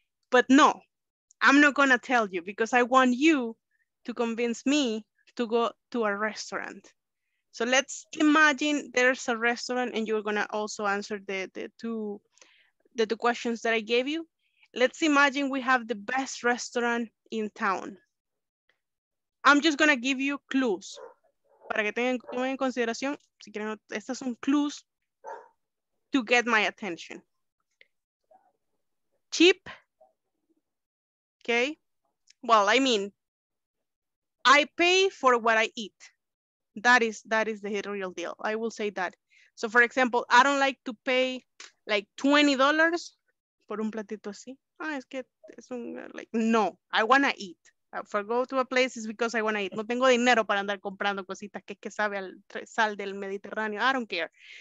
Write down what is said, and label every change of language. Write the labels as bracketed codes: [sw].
[en] But no, I'm not gonna tell you because I want you to convince me to go to a restaurant. So let's imagine there's a restaurant and you're gonna also answer the two questions that I gave you. Let's imagine we have the best restaurant in town. I'm just gonna give you clues. [es] Para que tengan en consideración, si quieren, estas son [en] clues to get my attention. Cheap, okay? Well, I mean, I pay for what I eat. That is the real deal. I will say that. So for example, I don't like to pay like $20 [es] por un platito así. Ah, es que es un, [en] like, no, I wanna eat. If I go to a place, it's because I wanna eat. [es] No tengo dinero para andar comprando cositas que sabe al sal del Mediterráneo. [en] I don't care.